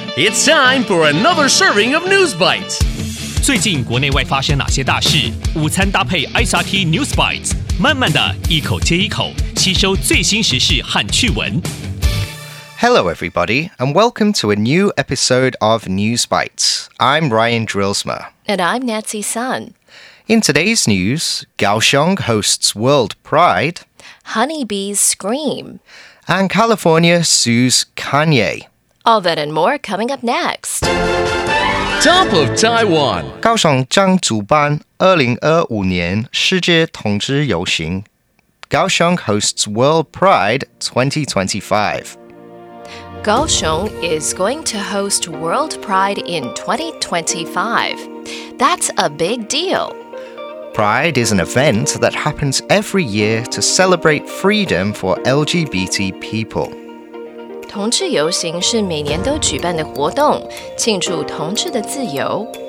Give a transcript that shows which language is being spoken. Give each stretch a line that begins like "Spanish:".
English: It's time for another serving of News Bites.
Chinese: 最近国内外发生哪些大事？午餐搭配 SRT News Bites， 慢慢的一口接一口，吸收最新时事和趣闻。
English: Hello, everybody, and welcome to a new episode of News Bites. I'm Ryan Drilsmer. And I'm Nancy Sun. In today's news, Kaohsiung hosts World Pride. Honeybees scream. And California sues Kanye. All that and more coming up next. Top of Taiwan.
Chinese: Kaohsiung 将主办2025年世界同志游行。
English: Kaohsiung hosts World Pride 2025. Kaohsiung is going to host World Pride in 2025. That's a big deal. Pride is an event that happens every year to celebrate freedom for LGBT people.
Chinese: 同志游行是每年都举办的活动，庆祝同志的自由。